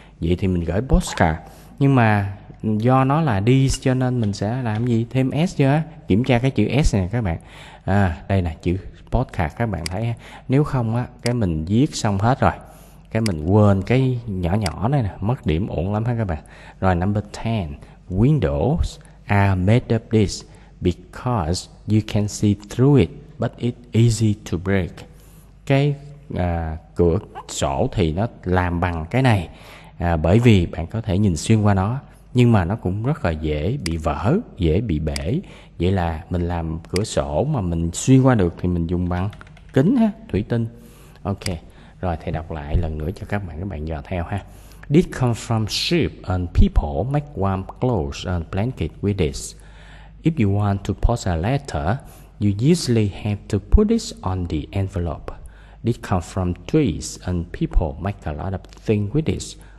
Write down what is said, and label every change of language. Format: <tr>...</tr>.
<vi>Vậy thì mình gửi postcard, nhưng mà do nó là đi cho nên mình sẽ làm gì, thêm s chưa, kiểm tra cái chữ s nè các bạn. Đây là chữ postcard các bạn thấy ha. Nếu không á, cái mình viết xong hết rồi cái mình quên cái nhỏ nhỏ này nè, mất điểm ổn lắm ha các bạn.</vi> <en>Rồi number 10, windows are made of this because you can see through it but it's easy to break.</en> <vi>Cái cửa sổ thì nó làm bằng cái này bởi vì bạn có thể nhìn xuyên qua nó, nhưng mà nó cũng rất là dễ bị vỡ, dễ bị bể. Vậy là mình làm cửa sổ mà mình xuyên qua được thì mình dùng bằng kính ha, thủy tinh. Ok, rồi thầy đọc lại lần nữa cho các bạn dò theo ha.</vi> <en>This comes from sheep and people make warm clothes and blankets with this. If you want to post a letter, you usually have to put this on the envelope. This comes from trees and people make a lot of things with this.</en>